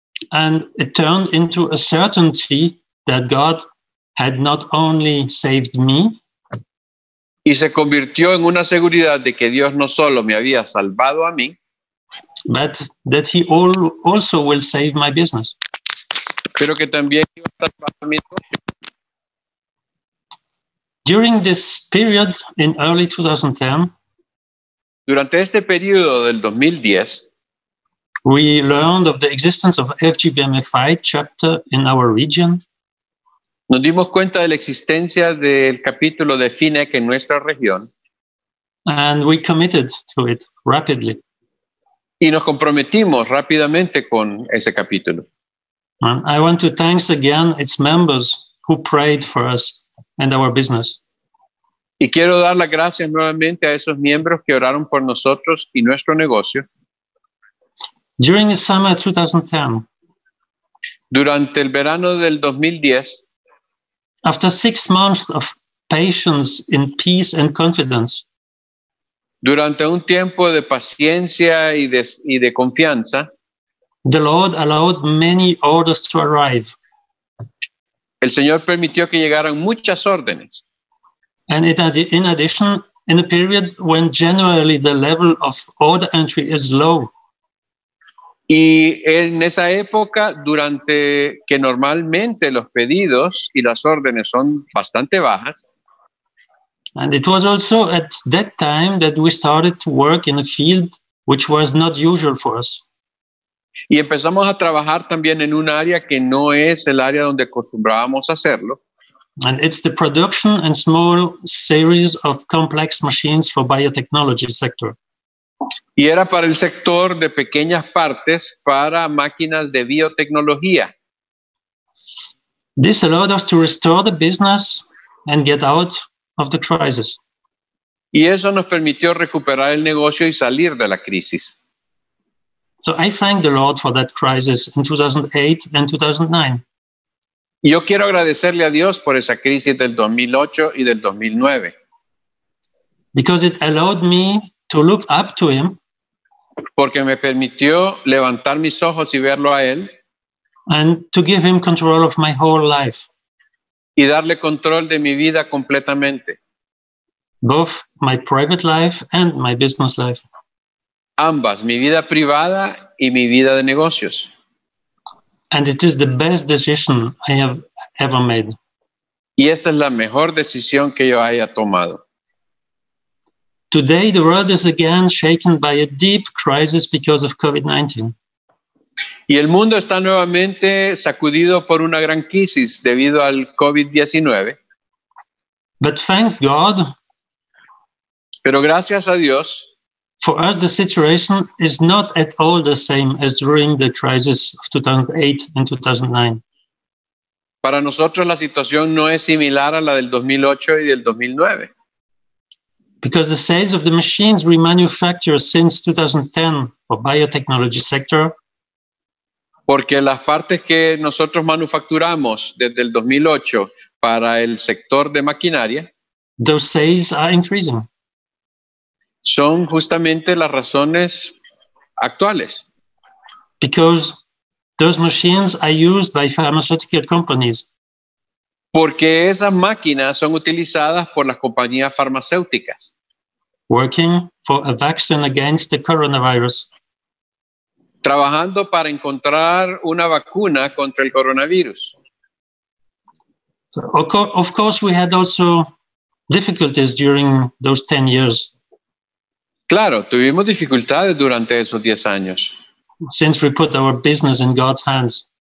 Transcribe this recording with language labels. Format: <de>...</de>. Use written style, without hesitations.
<en>And it turned into a certainty that God had not only saved me.</en> <es>Y se convirtió en una seguridad de que Dios no solo me había salvado a mí,</es> <en>but that he also will save my business.</en> <es>Pero que también iba a salvar mi negocio.</es> <en>During this period in early 2010,</en> <es>durante este periodo del 2010,</es> <en>we learned of the existence of FGBMFI chapter in our region.</en> <es>Nos dimos cuenta de la existencia del capítulo de FINEC en nuestra región.</es> <en>And we committed to it rapidly.</en> <es>Y nos comprometimos rápidamente con ese capítulo.</es> <en>And I want to thank again its members who prayed for us and our business.</en> <es>Y quiero dar las gracias nuevamente a esos miembros que oraron por nosotros y nuestro negocio.</es> <en>During the summer 2010,</en> <es>durante el verano del 2010,</es> <en>after 6 months of patience in peace and confidence,</en> <es>durante un tiempo de paciencia y de confianza,</es> <en>the Lord allowed many orders to arrive.</en> <es>El Señor permitió que llegaran muchas órdenes.</es> <en>And in addition, in a period when generally the level of order entry is low.</en> <es>Y en esa época, durante que normalmente los pedidos y las órdenes son bastante bajas.</es> <en>And it was also at that time that we started to work in a field which was not usual for us.</en> <es>Y empezamos a trabajar también en un área que no es el área donde acostumbrábamos hacerlo.</es> <en>And it's the production and small series of complex machines for biotechnology sector.</en> <es>Y era para el sector de pequeñas partes para máquinas de biotecnología.</es> <en>This allowed us to restore the business and get out of the crisis.</en> <es>Y eso nos permitió recuperar el negocio y salir de la crisis.</es> <en>So I thank the Lord for that crisis in 2008 and 2009.</en> <es>Y yo quiero agradecerle a Dios por esa crisis del 2008 y del 2009.</es> <en>Because it allowed me to look up to him.</en> <es>Porque me permitió levantar mis ojos y verlo a él.</es> <en>And to give him control of my whole life.</en> <es>Y darle control de mi vida completamente.</es> <en>Both my private life and my business life.</en> <es>Ambas, mi vida privada y mi vida de negocios.</es> <en>And it is the best decision I have ever made.</en> <es>Y esta es la mejor decisión que yo haya tomado.</es> <en>Today the world is again shaken by a deep crisis because of COVID-19.</en> <es>Y el mundo está nuevamente sacudido por una gran crisis debido al COVID-19.</es> <en>But thank God.</en> <es>Pero gracias a Dios.</es> <en>For us, the situation is not at all the same as during the crisis of 2008 and 2009.</en> <es>Para nosotros, la situación no es similar a la del 2008 y del 2009.</es> <en>Because the sales of the machines remanufactured since 2010 for biotechnology sector.</en> <es>Porque las partes que nosotros manufacturamos desde el 2008 para el sector de maquinaria.</es> <en>Those sales are increasing.</en> <es>Son justamente las razones actuales.</es> <en>Because those machines are used by pharmaceutical companies.</en> <es>Porque esas máquinas son utilizadas por las compañías farmacéuticas.</es> <en>Working for a vaccine against the coronavirus.</en> <es>Trabajando para encontrar una vacuna contra el coronavirus.</es> <en>So, of course, we had also difficulties during those 10 years.</en> <es>Claro, tuvimos dificultades durante esos 10 años.</es> <en>Since we put our business in God's hands.</en>